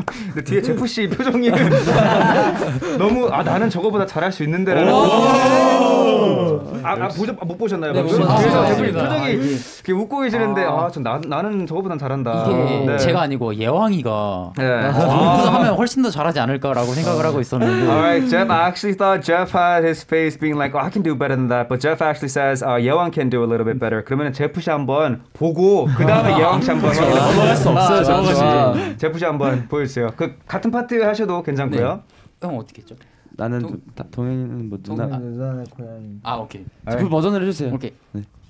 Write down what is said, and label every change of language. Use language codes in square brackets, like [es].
[ko] 근데 뒤에 제프 씨 표정이 너무 아 나는 저거보다 잘할 수 있는데라는. 아 못 보셨나요? 네, 뒤에서 제프 씨 표정이 이렇게 웃고 계시는데 아 전 나는 저거보다 잘한다. 이게 네. 제가 아니고 예왕이가 네. 하면 훨씬 더 잘하지 않을까라고 생각을 하고 있었는데. [en] Alright, Jeff. I actually thought Jeff had his face being like, oh, I can do better than that. But Jeff actually says, oh, 예왕 can do a little bit better. [ko] 그러면 제프 씨 한번 보고 그 다음에 예왕 씨 한번 넘어갈 수 없어요. 제프 씨 한번. 보여주세요. 그 같은 파트 하셔도 괜찮고요. 네. 형 어떻게 했죠? 나는 동현이는 뭐 누나 누나의 고양이. 아 오케이. 제프 버전을 해주세요. 오케이. 네.